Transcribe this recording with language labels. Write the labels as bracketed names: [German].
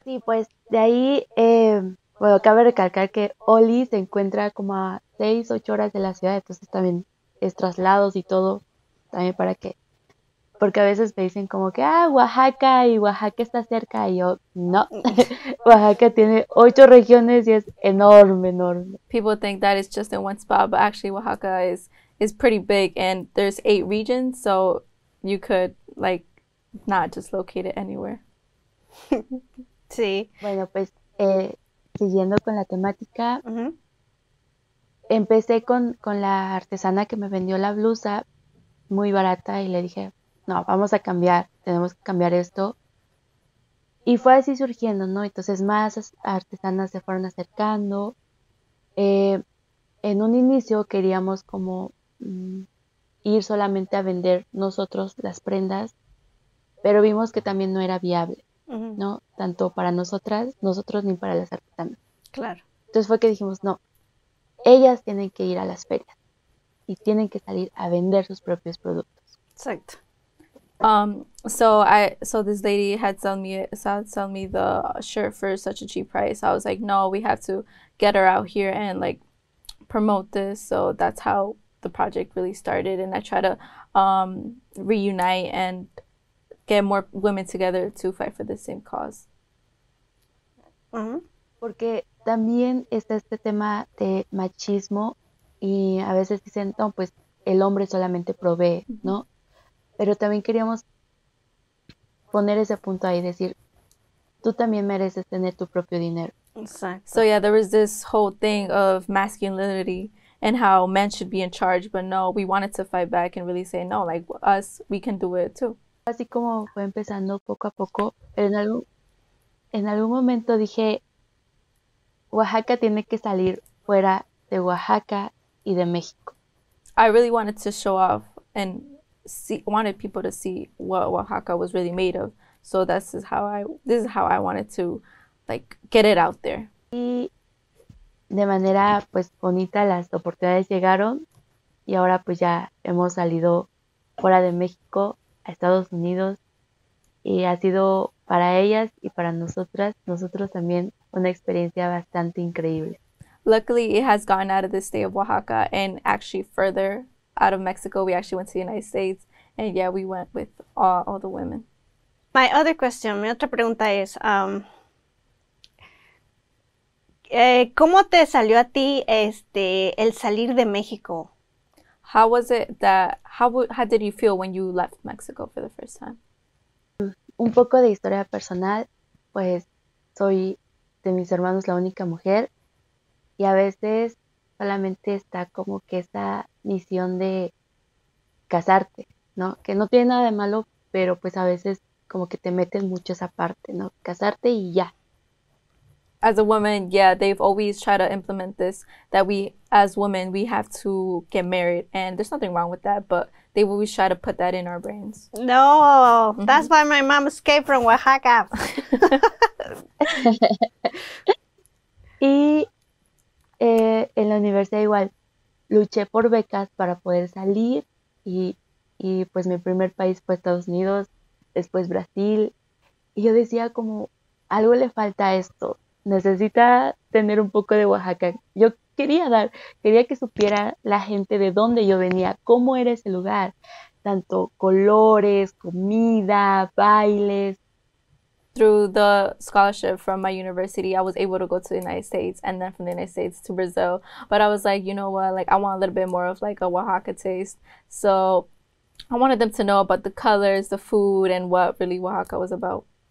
[Spanish] Sí, pues de ahí, cabe recalcar que Oli se encuentra como a 6-8 horas de la ciudad, entonces también es traslados y todo, también para que, porque a veces me dicen como que, Oaxaca, y Oaxaca está cerca, y yo, no, Oaxaca tiene 8 regiones y es enorme, enorme. [English] People think that it's just in one spot, but actually Oaxaca is pretty big, and there's 8 regions, so you could, like, not just locate it anywhere. [Spanish] Sí. Bueno, pues, siguiendo con la temática, empecé con la artesana que me vendió la blusa muy barata y le dije, no, vamos a cambiar, tenemos que cambiar esto. Y fue así surgiendo, ¿no? Entonces más artesanas se fueron acercando. En un inicio queríamos como ir solamente a vender nosotros las prendas, pero vimos que también no era viable, ¿no? Tanto para nosotros ni para las artesanas. Claro. Entonces fue que dijimos, no. Ellas tienen que ir a las ferias y tienen que salir a vender sus propios productos. Exacto. [English] So this lady had sold me the shirt for such a cheap price. I was like, no, we have to get her out here and like promote this. So that's how the project really started. And I try to reunite and get more women together to fight for the same cause. [Spanish] Porque también está este tema de machismo y a veces dicen, no, pues el hombre solamente provee, ¿no? Pero también queríamos poner ese punto ahí, decir, tú también mereces tener tu propio dinero. Exacto. [English] So yeah, there was this whole thing of masculinity and how men should be in charge, but no, we wanted to fight back and really say, no, like us, we can do it too. [Spanish] Así como fue empezando poco a poco, pero en algún En algún momento dije, Oaxaca tiene que salir fuera de Oaxaca y de México. [English] I really wanted to show off and see, wanted people to see what Oaxaca was really made of. So this is how I wanted to like get it out there. [Spanish] Y de manera pues bonita las oportunidades llegaron y ahora pues ya hemos salido fuera de México a Estados Unidos y ha sido para ellas y para nosotros también una experiencia bastante increíble. [English] Luckily, it has gone out of the state of Oaxaca and actually further out of Mexico. We actually went to the United States, and yeah, we went with all the women. My other question, [Spanish] mi otra pregunta es, ¿cómo te salió a ti el salir de México? [English] How was it that, how did you feel when you left Mexico for the first time? [Spanish] Un poco de historia personal, pues soy de mis hermanos la única mujer y a veces solamente está como que esa misión de casarte, ¿no? Que no tiene nada de malo, pero pues a veces como que te meten mucho esa parte, ¿no? Casarte y ya. [English] As a woman, yeah, they've always tried to implement this that we, as women, we have to get married, and there's nothing wrong with that, but they always try to put that in our brains. No, that's why my mom escaped from Oaxaca. [Spanish] Y en la universidad igual luché por becas para poder salir y pues mi primer país fue Estados Unidos, después Brasil. Y yo decía como, algo le falta a esto, necesita tener un poco de Oaxaca. Yo quería que supiera la gente de dónde yo venía, cómo era ese lugar, tanto colores, comida, bailes. [English] Through the scholarship from my university, I was able to go to the United States and then from the United States to Brazil. But I was like, you know what? Like, I want a little bit more of like a Oaxaca taste. So I wanted them to know about the colors, the food, and what really Oaxaca was about.